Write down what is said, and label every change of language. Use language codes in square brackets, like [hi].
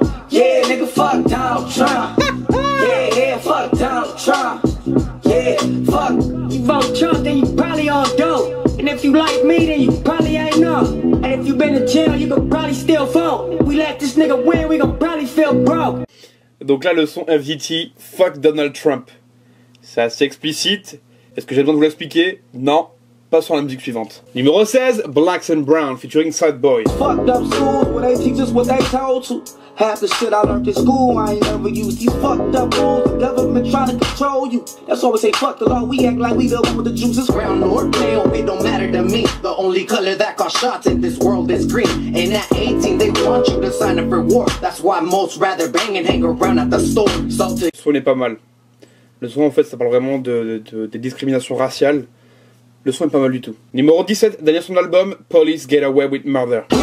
[en] Yeah, nigga, fuck down, try. Yeah, yeah, fuck down, try. Yeah, fuck. You vote Trump, then you probably all dope. And if you like me, then you probably ain't up. And if you been in jail, you could probably still vote. If we let this nigga win, we gonna probably feel broke. [fr] Donc là, le son FDT, fuck Donald Trump. C'est assez explicite. Est-ce que j'ai besoin de vous l'expliquer? Non. Passons à la musique suivante. Numéro 16, Blacks and Brown, featuring Sad Boy. [en] Fucked up school, where they teach us what they told to. Half the shit I learned in school, I ain't never used. These fucked up rules, the government trying to control you. That's why we say fuck the law, we act like we the one with the juices. Brown or pale, it don't matter to me. The only color that got shots in this world is green. And at 18, they want you to sign up for war. That's why most rather bang and hang around at the store. [fr] So sonnez pas mal. Le son en fait, ça parle vraiment de discrimination raciale. Le son est pas mal du tout. Numéro 17, dernier son de l'album, Police Get Away With Murder.